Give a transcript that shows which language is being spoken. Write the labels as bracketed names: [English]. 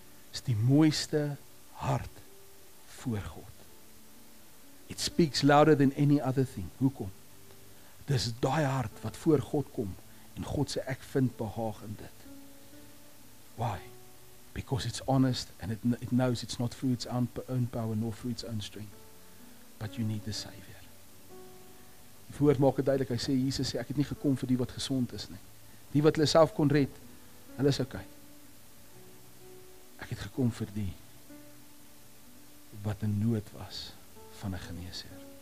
[Afrikaans] Is die mooiste hart voor God. [English] It speaks louder than any other thing. [Afrikaans] Hoekom? Dis daai hart wat voor God kom en God sê ek vind behaag in dit. [English] Why? Because it's honest and it knows it's not through its own power nor through its own strength. But you need the Savior. [Afrikaans] Die woord maak dit duidelik. Hy sê, Jesus sê, ek het nie gekom vir die wat gesond is nie. Die wat hulle self kon red, hulle is okay. Ek het gekom vir die wat in nood was van 'n geneesheer.